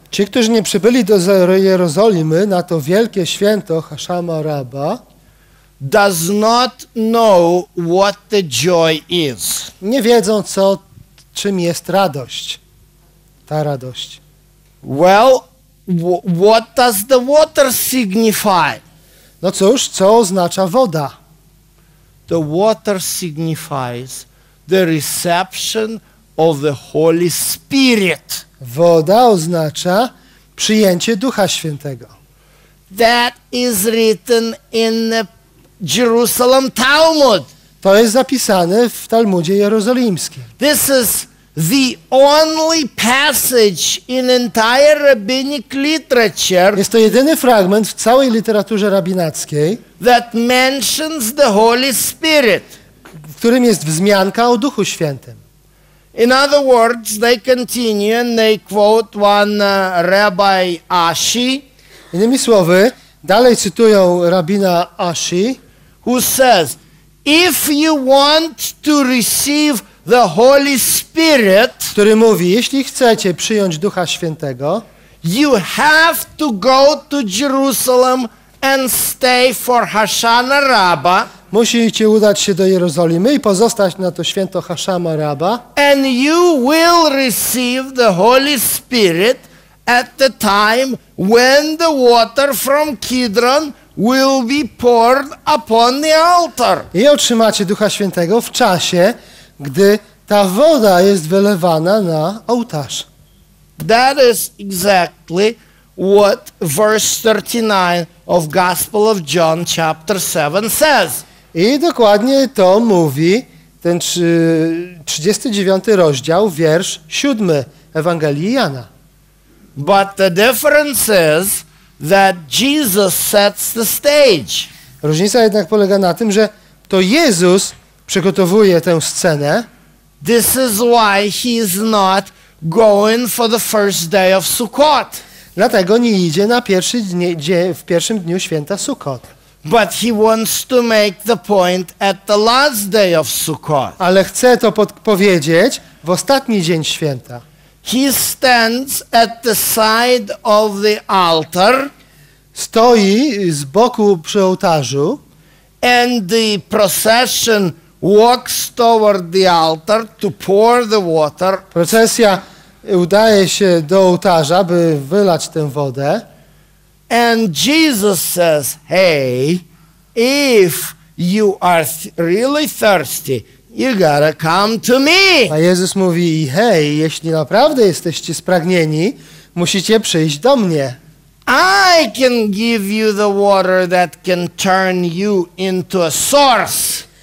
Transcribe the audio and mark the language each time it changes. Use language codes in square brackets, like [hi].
[pl] Ci, którzy nie przybyli do Jerozolimy na to wielkie święto Hoshana Rabba, [en] does not know what the joy is. [pl] Nie wiedzą, co, czym jest radość. Ta radość. [en] Well, what does the water signify? [pl] No cóż, co oznacza woda? [en] The water signifies the reception of the Holy Spirit. [pl] Woda oznacza przyjęcie Ducha Świętego. [en] That is written in the Jerusalem Talmud. [pl] To jest zapisane w Talmudzie Jerozolimskim. [en] This is the only passage in entire rabbinic literature. [pl] Jest to jedyny fragment w całej literaturze rabinackiej, [en] that mentions the Holy Spirit. [pl] W którym jest wzmianka o Duchu Świętym. [en] In other words, they continue and they quote one rabbi Ashi. [pl] Innymi słowy, dalej cytują rabina Ashi, [en] who says, if you want to receive the Holy Spirit, [pl] który mówi, jeśli chcecie przyjąć Ducha Świętego, [en] you have to go to Jerusalem and stay for Hoshana Rabba. [pl] Musicie udać się do Jerozolimy i pozostać na to święto Hoshana Rabba. [en] And you will receive the Holy Spirit at the time when the water from Kidron will be poured upon the altar. [pl] I otrzymacie Ducha Świętego w czasie, gdy ta woda jest wylewana na ołtarz. [en] That is exactly what verse 39 of Gospel of John chapter 7 says. [pl] I dokładnie to mówi ten 39 rozdział, wiersz 7 Ewangelii Jana. [en] But the difference is that Jesus sets the stage. [pl] Różnica jednak polega na tym, że to Jezus przygotowuje tę scenę. [en] This is why he is not going for the first day of Sukkot. [pl] Dlatego nie idzie na pierwszy dzień, w pierwszym dniu święta Sukkot. [en] But he wants to make the point at the last day of Sukkot. [pl] Ale chce to powiedzieć w ostatni dzień święta. [en] He stands at the side of the altar. [pl] Stoi z boku przy ołtarzu. [en] And the procession walks toward the altar to pour the water. [pl] Procesja udaje się do ołtarza, by wylać tę wodę. [en] And Jesus says, hey, if you are really thirsty, you gotta come to me. [pl] A Jezus mówi, hej, jeśli naprawdę jesteście spragnieni, musicie przyjść do mnie. [en] I can give you the water that can turn you into a source.